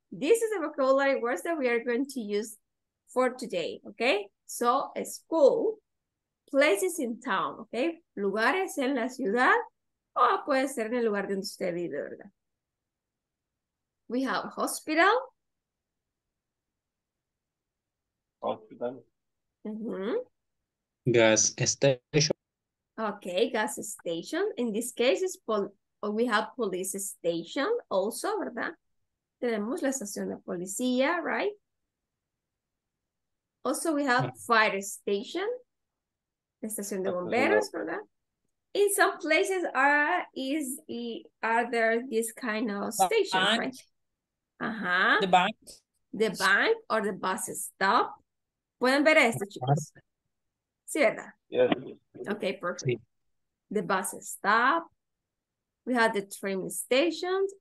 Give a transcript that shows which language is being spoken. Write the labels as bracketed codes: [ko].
[en] This is the vocabulary words that we are going to use for today, okay? So, school, places in town, okay? [es] Lugares en la ciudad, o puede ser en el lugar donde usted vive, ¿verdad? [en] We have hospital. Hospital. Gas station. Okay, gas station. In this case, we have police station also, ¿verdad? [es] Tenemos la estación de policía, right? [en] Also, we have fire station, [es] estación de bomberos, ¿verdad? [en] In some places are there this kind of station, bank. Right? The bank. The bank or the bus stop. [es] ¿Pueden ver esto, chicos? ¿Sí, verdad? [en] Yes. Okay, perfect. Sí. The bus stop. We have the train stations.